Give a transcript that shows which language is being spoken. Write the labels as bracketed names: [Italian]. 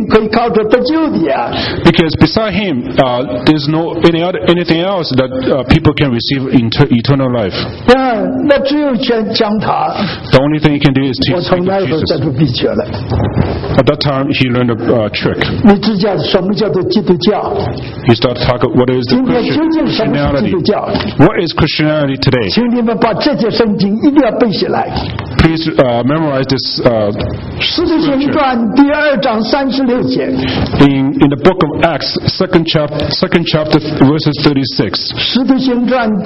[Chinese] 除了他以外，在天下人间，赐下没有赐下别的名可以靠着得救的呀。Because [English] beside him, there's no anything else that people can receive eternal life. [Chinese] 那只有讲他。The [English] only thing he can do is to speak of Jesus. At that time, he learned a trick. [Chinese] 你知道什么叫做基督教？He [English] started talking. What is the Christianity? What is Christianity today? [Chinese] 把这节圣经一定要背下来。 [English] Please memorize this. [Chinese] 使徒行传第二章36节。 [English] In the book of Acts, second chapter, verses 36.